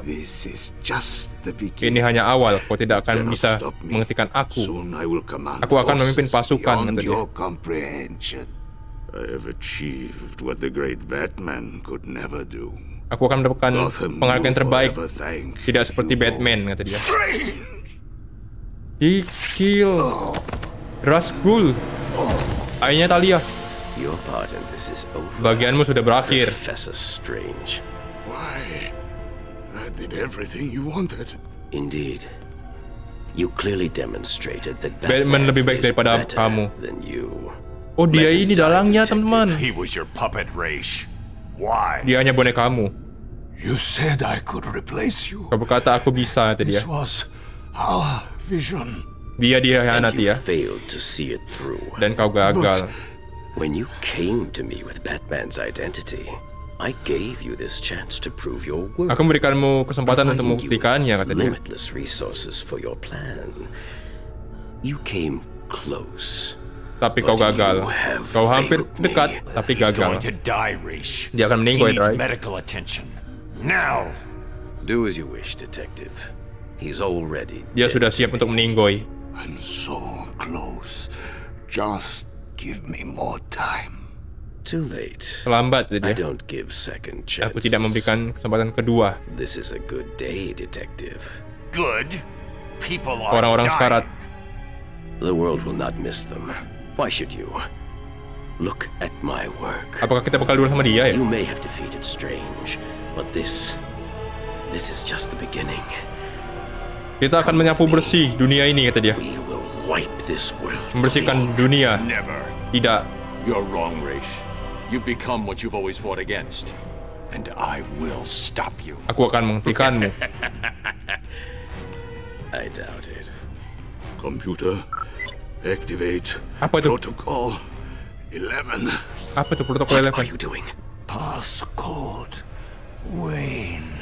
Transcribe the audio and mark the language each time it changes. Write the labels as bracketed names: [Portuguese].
[English] This is just the beginning. [Indonesian] Ini hanya awal. Kau tidak akan bisa menghentikan aku. [English] Soon I will command. [Indonesian] Aku akan memimpin pasukan untuk [English] your comprehension. I have achieved what the great Batman could never do. [Indonesian] Aku akan mendapatkan penghargaan terbaik. Tidak seperti Batman, kata dia. [English] Strange. [Indonesian] Kill. Ra's al Ghul. Ayahnya Talia. [English] Your part in this is over. [Indonesian] Bagianmu sudah berakhir. [English] Professor Strange. Why? I did everything you wanted. Indeed. You clearly demonstrated that [Indonesian] Batman lebih baik daripada kamu. [English] Than you. [Indonesian] Oh, dia Legend ini dalangnya, teman-teman. [English] He was your puppet, Raish. Why? [Indonesian] Dia hanya boneka kamu. [English] You said I could replace you. [Indonesian] Kau berkata aku bisa, tadi ya. [English] This was our vision. [Indonesian] Dia hianati ya. [English] And you failed to see it through. [Indonesian] Dan kau gagal. [English] But when you came to me with Batman's identity, I gave you this chance to prove your worth. [Indonesian] Aku memberikanmu kesempatan untuk membuktikannya, kata dia. [English] Limitless resources for your plan. You came close. [Indonesian] Tapi kau gagal. Kau hampir dekat, tapi gagal. [English] He's going to die, Raish. [Indonesian] Dia akan meninggal, [English] right? He needs medical attention. Now. Do as you wish, detective. He's already dead. [Indonesian] Dia sudah siap untuk meninggal. [English] And so close. Just give me more time. Too late. [Indonesian] Terlambat, [English] I don't give second chances. [Indonesian] Aku tidak memberikan kesempatan kedua. [English] This is a good day, detective. Good. People are [Indonesian] orang-orang [English] dying. [Indonesian] Sekarat. [English] The world will not miss them. Why should you? Look at my work. [Indonesian] Apakah kita bakal duel sama dia ya? [English] You may have defeated Strange, but this is just the beginning. [Indonesian] Kita akan menyapu bersih dunia ini, kata dia. [English] We will wipe this world. [Indonesian] Membersihkan dunia. [English] Never. [Indonesian] Tidak. [English] You're wrong, Raish. You've become what you've always fought against, and I will stop you. [Indonesian] Aku akan menghentikanmu. [English] I doubt it. Computer, activate. [Indonesian] Apa itu? [English] Protocol 11. [Indonesian] Apa itu protocol 11? [English] What are you doing? Passcode Wayne.